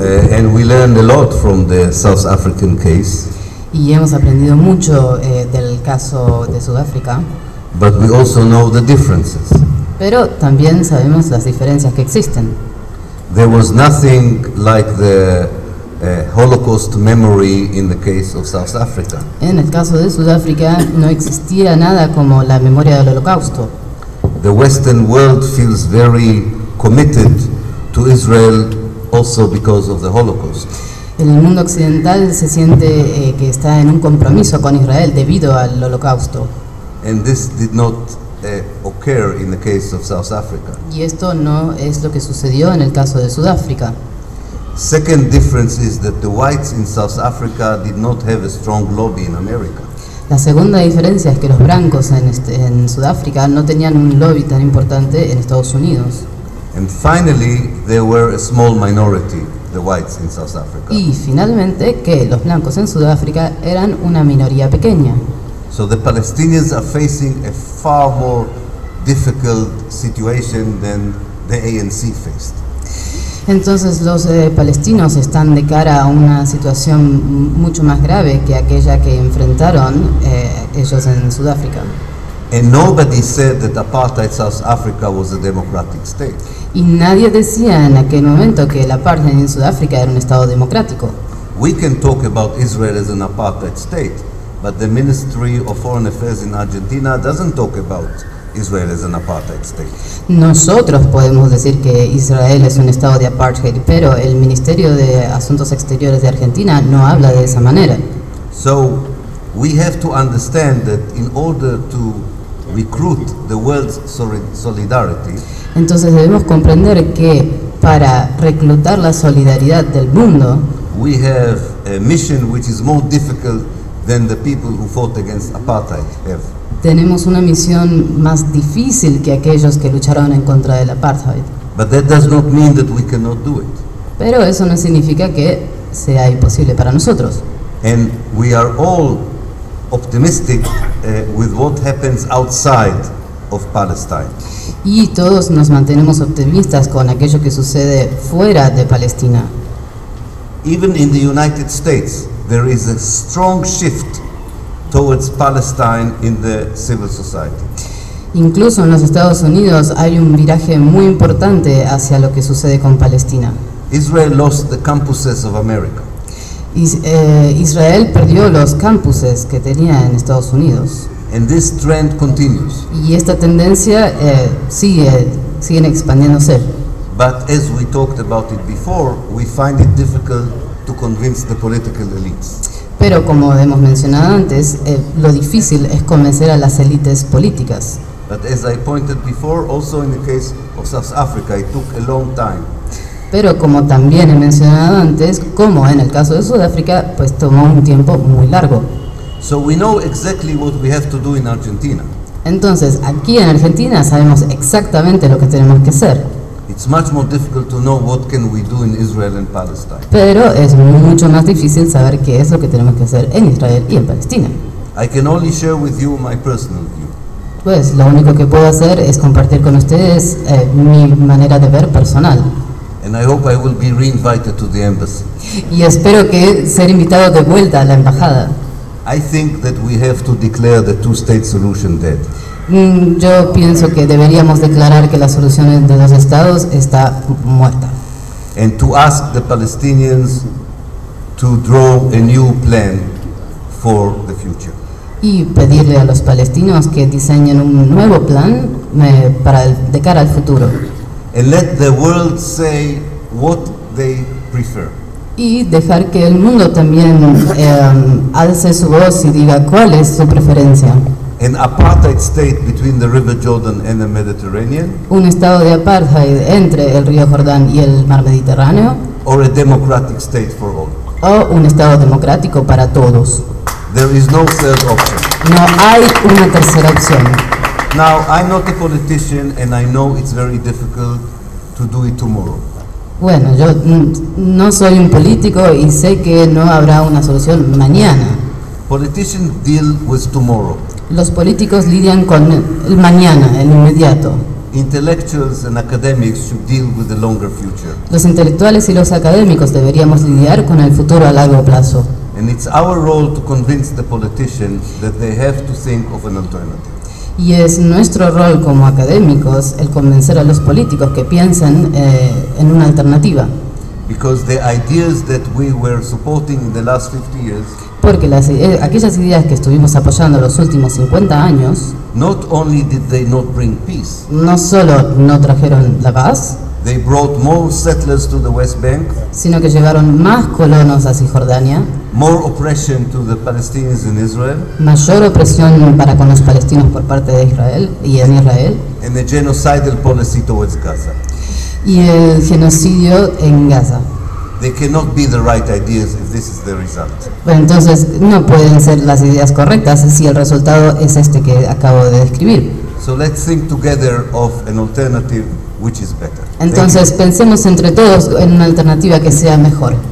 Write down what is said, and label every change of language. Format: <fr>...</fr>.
<en>And we learned a lot from the South African case.</en> <es>Y hemos aprendido mucho del caso de Sudáfrica.</es> <en>But we also know the differences.</en> <es>Pero también sabemos las diferencias que existen.</es> <en>There was nothing like the Holocaust memory in the case of South Africa.</en> <es>En el caso de Sudáfrica no existía nada como la memoria del Holocausto.</es> <en>The Western world feels very committed to Israel also because of the Holocaust.</en> <es>En el mundo occidental se siente que está en un compromiso con Israel debido al Holocausto.</es> <en>And this did not occur in the case of South Africa.</en> <es>Y esto no es lo que sucedió en el caso de Sudáfrica.</es> <en>Second difference is that the whites in South Africa did not have a strong lobby in America.</en> <es>La segunda diferencia es que los blancos en Sudáfrica no tenían un lobby tan importante en Estados Unidos.</es> <en>And finally, there were a small minority, the whites in South Africa.</en> <es>Y finalmente que los blancos en Sudáfrica eran una minoría pequeña.</es> <en>So the Palestinians are facing a far more difficult situation than the ANC faced.</en> <es>Entonces los palestinos están de cara a una situación mucho más grave que aquella que enfrentaron ellos en Sudáfrica.</es> <en>And nobody said that apartheid South Africa was a democratic state.</en> <es>Y nadie decía en aquel momento que el apartheid en Sudáfrica era un estado democrático.</es> <en>We can talk about Israel as an apartheid state. But the Ministry of Foreign Affairs in Argentina doesn't talk about Israel as an apartheid state.</en> <es>Nosotros podemos decir que Israel es un estado de apartheid, pero el Ministerio de Asuntos Exteriores de Argentina no habla de esa manera.</es> <en>So we have to understand that in order to recruit the world's solidarity.</en> <es>Entonces debemos comprender que para reclutar la solidaridad del mundo,</es> <en>we have a mission which is more difficult than the people who fought against apartheid have.</en> <es>Tenemos una misión más difícil que aquellos que lucharon en contra del apartheid.</es> <en>But that does not mean that we cannot do it.</en> <es>Pero eso no significa que sea imposible para nosotros.</es> <en>And we are all optimistic with what happens outside of Palestine.</en> <es>Y todos nos mantenemos optimistas con aquello que sucede fuera de Palestina.</es> <en>Even in the United States, there is a strong shift towards Palestine in the civil society.</en> <es>Incluso en los Estados Unidos hay un viraje muy importante hacia lo que sucede con Palestina.</es> <en>Israel lost the campuses of America.</en> <es>Israel perdió los campuses que tenía en Estados Unidos.</es> <en>And this trend continues.</en> <es>Y esta tendencia sigue expandiéndose.</es> <en>But as we talked about it before, we find it difficult to convince the political elites.</en> <es>Pero como hemos mencionado antes, lo difícil es convencer a las élites políticas.</es> <en>But as I pointed before, also in the case of South Africa, it took a long time.</en> <es>Pero como también he mencionado antes, como en el caso de Sudáfrica, pues tomó un tiempo muy largo.</es> <en>So we know exactly what we have to do in Argentina.</en> <es>Entonces, aquí en Argentina sabemos exactamente lo que tenemos que hacer.</es> <en>It's much more difficult to know what can we do in Israel and Palestine.</en> <es>Pero es mucho más difícil saber qué es lo que tenemos que hacer en Israel y en Palestina.</es> <en>I can only share with you my personal view.</en> <es>Pues lo único que puedo hacer es compartir con ustedes mi manera de ver personal.</es> <en>And I hope I will be reinvited to the embassy.</en> <es>Y espero que ser invitado de vuelta a la embajada.</es> <en>I think that we have to declare the two-state solution dead.</en> <es>Yo pienso que deberíamos declarar que la solución de dos estados está muerta.</es> <en>And to ask the Palestinians to draw a new plan for the future.</en> <es>Y pedirle a los palestinos que diseñen un nuevo plan de cara al futuro.</es> <en>And let the world say what they prefer.</en> <es>Y dejar que el mundo también alce su voz y diga cuál es su preferencia.</es> <en>An apartheid state between the River Jordan and the Mediterranean.</en> <es>Un estado de apartheid entre el río Jordán y el mar Mediterráneo.</es> <en>Or a democratic state for all.</en> <es>O un estado democrático para todos.</es> <en>There is no third option.</en> <es>No hay una tercera opción.</es> <en>Now, I'm not a politician and I know it's very difficult to do it tomorrow.</en> <es>Bueno, yo no soy un político y sé que no habrá una solución mañana.</es> <en>Politicians deal with tomorrow.</en> <es>Los políticos lidian con el mañana, el inmediato.</es> <en>Intellectuals and academics should deal with the longer future.</en> <es>Los intelectuales y los académicos deberíamos lidiar con el futuro a largo plazo.</es> <en>And it's our role to convince the politician that they have to think of an alternative.</en> <es>Y es nuestro rol como académicos el convencer a los políticos que piensen en una alternativa.</es> <en>Because the ideas that we were supporting in the last 50 years,</en> <es>porque aquellas ideas que estuvimos apoyando los últimos 50 años,</es> <en>not only did they not bring peace,</en> <es>no solo no trajeron la paz,</es> <en>they brought more settlers to the West Bank,</en> <es>sino que llevaron más colonos a Cisjordania,</es> <en>more oppression to the Palestinians in Israel,</en> <es>mayor opresión para con los palestinos por parte de Israel y en Israel,</es> <en>and a genocidal policy towards Gaza,</en> <es>y el genocidio en Gaza.</es> <en>They cannot be the right ideas if this is the result.</en> <es>Bueno, entonces no pueden ser las ideas correctas si el resultado es este que acabo de describir.</es> <en>So let's think together of an alternative which is better.</en> <es>Entonces pensemos entre todos en una alternativa que sea mejor.</es>